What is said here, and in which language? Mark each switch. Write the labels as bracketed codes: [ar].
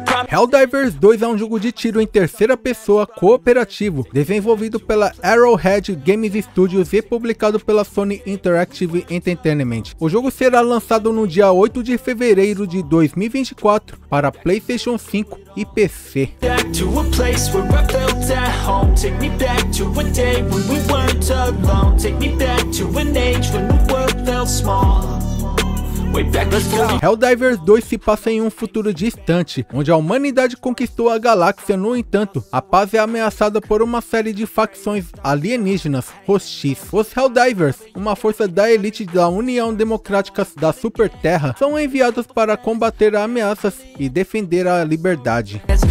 [pt] Helldivers 2 é um jogo de tiro em terceira pessoa cooperativo, desenvolvido pela Arrowhead Games Studios e publicado pela Sony Interactive Entertainment. O jogo será lançado no dia 8 de fevereiro de 2024 para PlayStation 5 e PC. [en] Back to a place where I felt at home. Take me back to a day when we weren't alone. Take me back to an age when the world felt small. [pt] Helldivers 2 se passa em um futuro distante, onde a humanidade conquistou a galáxia. No entanto, a paz é ameaçada por uma série de facções alienígenas hostis. Os Helldivers, uma força da elite da União Democrática da Super Terra, são enviados para combater ameaças e defender a liberdade.